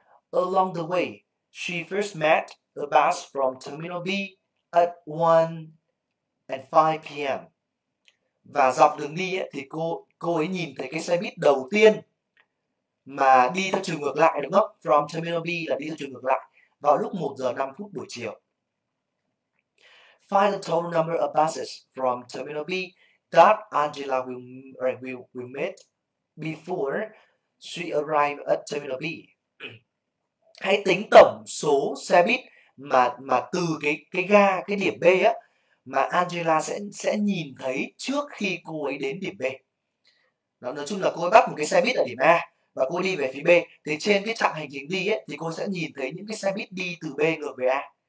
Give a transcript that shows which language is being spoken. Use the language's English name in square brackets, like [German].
[English] Along the way, she first met a bus from Terminal B at 1:05 p.m. [Vietnamese] Và dọc đường đi ấy, thì cô ấy nhìn thấy cái xe buýt đầu tiên mà đi theo chiều ngược lại, đúng không? [English] From Terminal B [Vietnamese] là đi theo chiều ngược lại vào lúc 1:05 buổi chiều. [English] Find the total number of buses from Terminal B that Angela will meet before she arrive at Terminal B. [Vietnamese] Hãy tính tổng số xe buýt mà từ cái ga, cái điểm B á, mà Angela sẽ nhìn thấy trước khi cô ấy đến điểm B. Đó, nói chung là cô ấy bắt một cái xe buýt ở điểm A và cô đi về phía B. Thì trên cái chặng hành trình đi ấy, thì cô sẽ nhìn thấy những cái xe buýt đi từ B ngược về A.